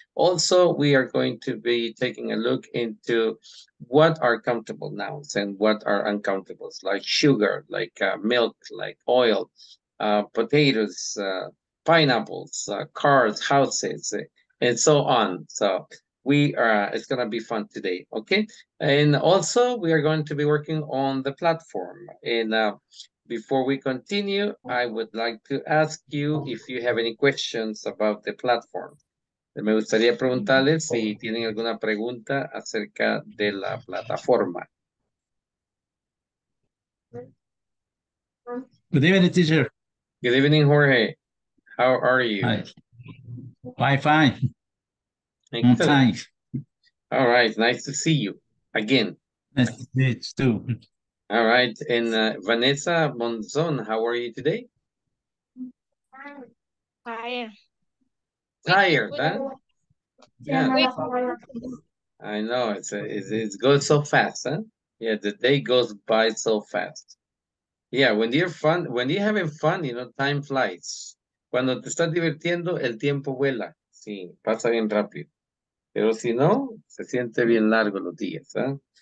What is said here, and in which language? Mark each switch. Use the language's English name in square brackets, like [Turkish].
[English] Also, we are going to be taking a look into what are countable nouns and what are uncountables, like sugar, like milk, like oil, potatoes, pineapples, cars, houses, and so on. So we are, it's gonna be fun today, okay? And also we are going to be working on the platform. And before we continue, I would like to ask you if you have any questions about the platform. [Spanish] Me gustaría preguntarles si tienen alguna pregunta acerca de la plataforma. [English] Good evening, teacher. Good evening, Jorge. How are you? Hi. Fine. Thanks. All right, nice to see you again. Nice to see you too. All right, and Vanessa Monzon, how are you today? Tired, huh? Yeah. I know, it goes so fast, huh? Yeah, the day goes by so fast. Yeah, when you're having fun, you know, time flies. [Spanish] Cuando te estás divirtiendo, el tiempo vuela. Sí, pasa bien rápido. Pero si no, se siente bien largo los días, ¿eh?